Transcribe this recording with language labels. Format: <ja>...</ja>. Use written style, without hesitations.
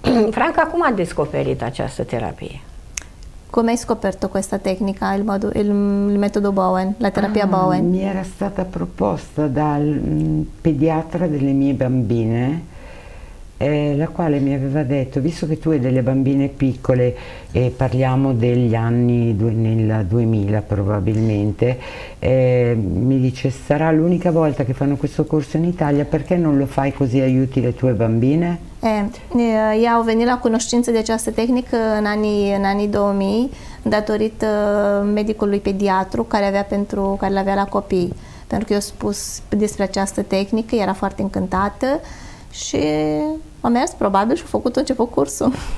<ro>Franca, cum a descoperit această terapie? Cum ai scoperit-o cu această tehnică,</ro> <it>il metodo Bowen, la terapia Bowen? Mi era stata proposta dal pediatra delle mie bambine, la quale mi aveva detto, visto che tu hai delle bambine piccole, parliamo degli anni nel 2000 probabilmente, mi dice, sarà l'unica volta che fanno questo corso in Italia, perché non lo fai così aiuti le tue bambine?</it> <ro>Ei au venit la cunoștință de această tehnică în anii 2000, datorită medicului pediatru care l-avea la copii. Pentru că eu spus despre această tehnică, era foarte încântată și a mers probabil și a făcut început cursul.</ro>